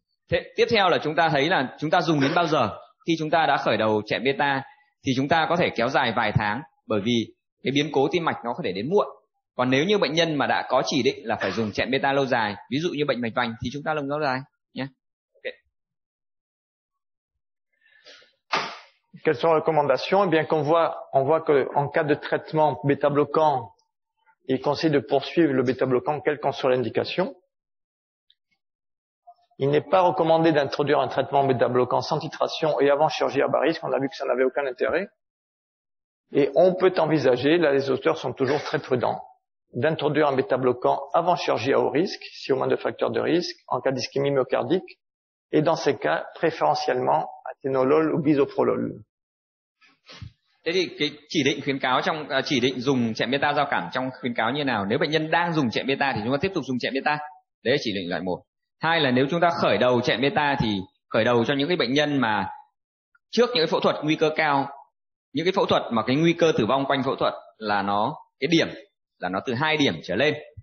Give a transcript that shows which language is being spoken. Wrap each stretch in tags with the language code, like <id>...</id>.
<vi>Thế, tiếp theo là chúng ta thấy là chúng ta dùng đến bao giờ? Khi chúng ta đã khởi đầu chạy beta thì chúng ta có thể kéo dài vài tháng, bởi vì cái biến cố tim mạch nó có thể đến muộn. Còn nếu như bệnh nhân mà đã có chỉ định là phải dùng chạy beta lâu dài, ví dụ như bệnh mạch vành thì chúng ta dùng lâu dài nhé. Okay.</vi> <fr>Quelles sont les recommandations? Eh bien, on voit que en cas de traitement bêta bloquant, il conseille de poursuivre le bêta bloquant quelle qu'en soit l'indication. Il n'est pas recommandé d'introduire un traitement bêta-bloquant sans titration et avant chirurgie à bas risque. On a vu que ça n'avait aucun intérêt. Et on peut envisager, là les auteurs sont toujours très prudents, d'introduire un bêta-bloquant avant chirurgie à haut risque, si au moins deux facteurs de risque, en cas d'ischémie myocardique, et dans ces cas, préférentiellement, atenolol ou bisoprolol.</fr> <vi>Thế thì cái chỉ định khuyến cáo trong chỉ định dùng chạy beta giao cảm trong khuyến cáo như nào? Nếu bệnh nhân đang dùng chạy beta thì chúng ta tiếp tục dùng chạy beta. Đấy là chỉ định loại 1. Hai là nếu chúng ta khởi đầu chạy beta thì khởi đầu cho những cái bệnh nhân mà trước những cái phẫu thuật nguy cơ cao, những cái phẫu thuật mà cái nguy cơ tử vong quanh phẫu thuật là nó cái điểm là nó từ 2 điểm trở lên.</vi>